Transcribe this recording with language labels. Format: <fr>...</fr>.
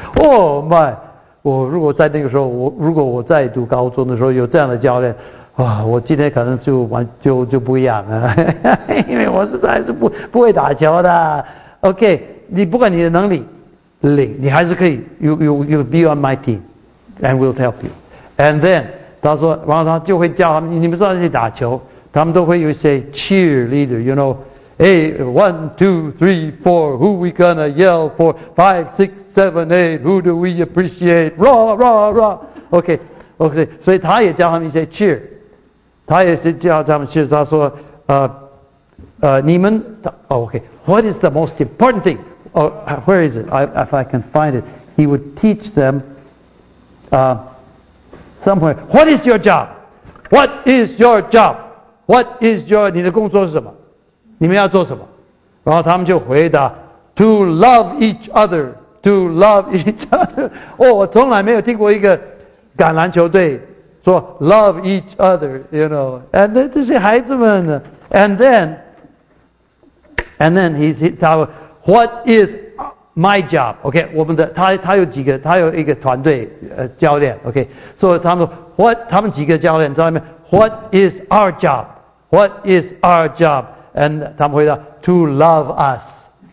<en>Oh my，</en> <zh>我如果在那个时候，我如果我在读高中的时候有这样的教练，哇，我今天可能就完就不一样了，因为我实在是不会打球的。 OK， 你不管你的能力零，你还是可以。</zh> <en>You be on my team, and we'll help you. And then</en> <zh>他说，然后他就会叫他们，你们知道去打球，他们都会有一些</zh> <en>cheerleader, you know, hey, one, two, three, four, who we gonna yell for? Five, six, seven, eight, who do we appreciate? Raw, raw, raw. OK.</en> <zh>OK， 所以他也教他们一些 cheer， 他也是教他们 cheer。 他说你们 OK，</zh> <en>what is the most important thing？ Where is it？ If I can find it， he would teach them somewhere。 What is your job？ What is your job？ What is your</en> <zh>你的工作是什么？你们要做什么？然后他们就回答</zh> <en>To love each other， To love each other。</en> <zh>哦，我从来没有听过一个橄榄球队说</zh> <en>love each other, you know, and</en> <zh>这些孩子们</zh> <en>and then he's, he</en> <zh>他问</zh> <en>what is my job?</en> <zh>Okay, 我们的他有几个，他有一个团队教练 okay, 所以他们说</zh> <en>what</en> <zh>他们几个教练在那边</zh> <en>what is our job? What is our job? And</en> <zh>他们回答</zh> <en>to love us.</en>